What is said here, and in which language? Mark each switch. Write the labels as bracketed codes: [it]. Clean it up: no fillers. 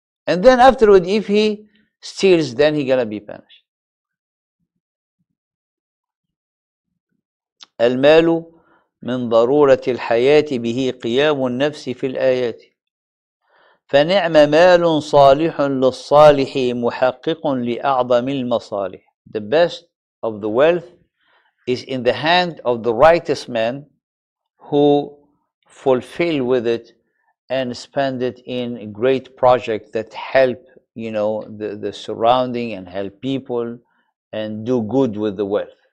[en] And then afterward, if he steals, then he's going to be punished. [ar] المال من ضرورة الحياة به قيام النفس في الآيات فنعم مال صالح للصالح محقق لأعظم المصالح. [en] The best of the wealth is in the hand of the righteous man who fulfill with it and spend it in a great project that help, you know, the surrounding and help people and do good with the wealth.